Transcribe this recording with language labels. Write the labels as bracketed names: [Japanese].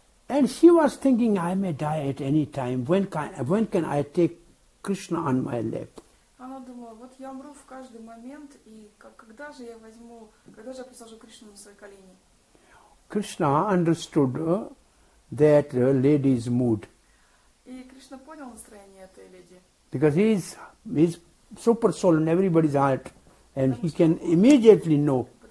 [English] And she was thinking, I may die at any time. When can I take Krishna on my lap? [Russian] Она думала, вот я умру в каждый момент, и когда же я посажу Кришну на свои колени? [English] Krishna understood that lady's mood. [Russian] И Кришна понял настроение этой леди. [English] Because he's super soul in everybody's heart, and he can immediately know.